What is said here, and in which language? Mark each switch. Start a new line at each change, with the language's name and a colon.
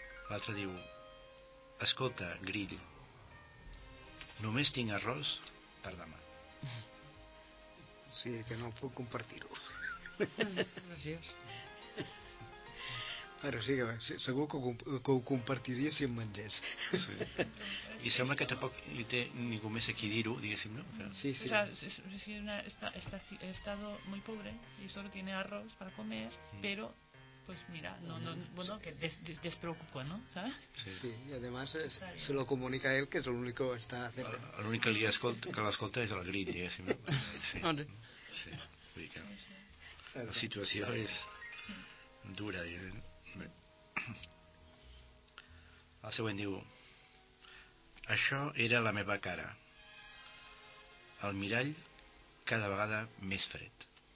Catalan: L'altre diu: escolta, grill, només tinc arròs per demà. Sí, que no puc compartir-ho. Gràcies. Però sí, que segur que ho compartiria si em mengés. Sí. I sembla que tampoc hi té ningú més a qui dir-ho, diguéssim, no? Sí, sí.
Spanish: He estado muy pobre y solo tiene arroz para comer, pero, pues mira, no, que despreocupa, ¿no? ¿Sabes? Sí, y además se lo comunica a él, que es el único que está cerca.
Catalan: El único que l'escolta és el grill, diguéssim. Sí. Sí. Sí. La situació és dura, diguéssim. El següent diu: això era la meva cara, el mirall cada vegada més fred.